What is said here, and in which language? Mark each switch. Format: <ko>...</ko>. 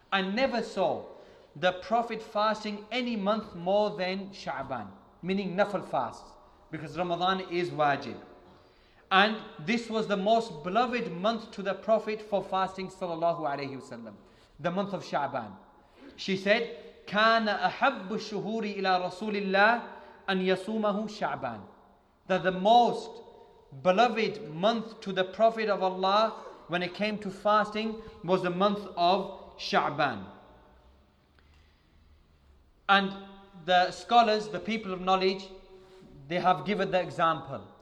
<en>I never saw the Prophet fasting any month more than Sha'ban, meaning nafal fasts, because Ramadan is wajib. And this was the most beloved month to the Prophet for fasting sallallahu alayhi wasallam, the month of Sha'ban. She said,</en> <ar>كَانَ أَحَبُّ الشُّهُورِ إِلَىٰ رَسُولِ اللَّهِ أَنْ يَصُومَهُ شَعْبَان.</ar> <en>That the most beloved month to the Prophet of Allah when it came to fasting was the month of Sha'ban. And the scholars, the people of knowledge, they have given the example.</en>